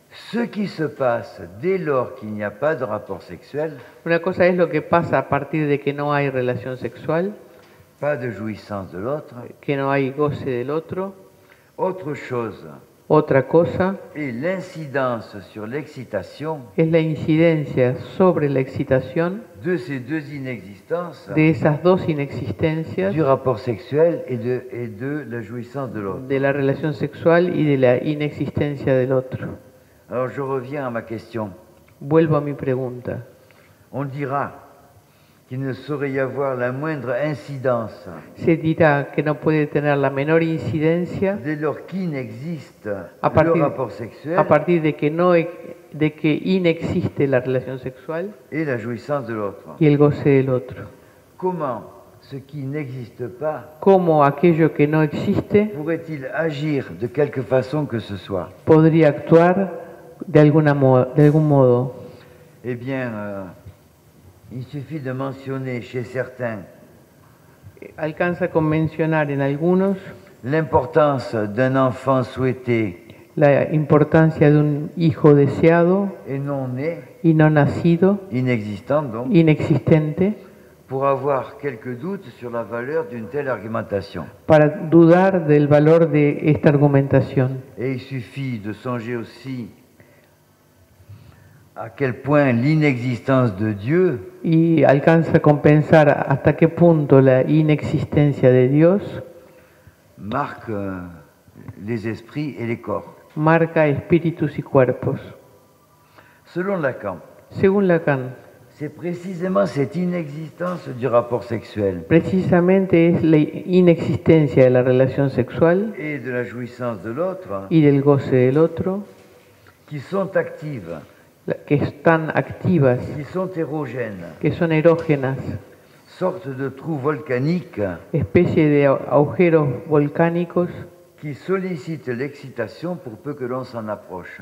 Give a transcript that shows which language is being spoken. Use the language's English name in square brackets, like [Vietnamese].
[French] Ce qui se passe dès lors qu'il n'y a pas de rapport sexuel. [Spanish] Una cosa es lo que pasa a partir de que no hay relación sexual. [French] Pas de jouissance de l'autre. [Spanish] Que no hay goce del otro. [French] Autre chose. [Spanish] Otra cosa [French] et l'incidence sur l'excitation [Spanish] es la incidencia sobre la excitación [French] de ces deux inexistences, [Spanish] de esas dos inexistencias [French] du rapport sexuel et de la jouissance de l'autre, [Spanish] de la relación sexual y de la inexistencia del otro. [French] Alors je reviens à ma question. [Spanish] Vuelvo a mi pregunta. [French] On dira qu'il ne saurait y avoir la moindre incidence. [Spanish] Se dirá que no puede tener la menor incidencia. [French] Dès lors qu'inexiste le rapport sexuel. [Spanish] A partir de que no, de que inexiste la relación sexual. [French] Et la jouissance de l'autre. [Spanish] Y el goce del otro. [French] Comment ce qui n'existe pas. [Spanish] Cómo aquello que no existe. [French] Pourrait-il agir de quelque façon que ce soit. [Spanish] Podría actuar de algún modo. [French] Eh bien. Il suffit de mentionner chez certains. [Spanish] Alcanza con mencionar en algunos [French] l'importance d'un enfant souhaité. [Spanish] La importancia de un hijo deseado. [French] Et non né. [Spanish] Y no nacido. [French] Inexistant donc. [Spanish] Inexistente. [French] Pour avoir quelques doutes sur la valeur d'une telle argumentation. [Spanish] Para dudar del valor de esta argumentación. [French] Et il suffit de songer aussi. À quel point l'inexistence de Dieu [Spanish] y alcanza a compensar hasta qué punto la inexistencia de Dios [French] marque les esprits et les corps. [Spanish] Marca espíritus y cuerpos. [French] Selon Lacan. [Spanish] Según Lacan. [French] C'est précisément cette inexistence du rapport sexuel. [Spanish] Precisamente es la inexistencia de la relación sexual [French] et de la jouissance de l'autre. [Spanish] Y del goce del otro [French] qui sont actives. [Spanish] Que están activas, [French] qui sont érogènes, [Spanish] que son erógenas, [French] sorte de trous volcaniques, [Spanish] especie de agujeros volcánicos, [French] qui sollicitent l'excitation pour peu que l'on s'en approche,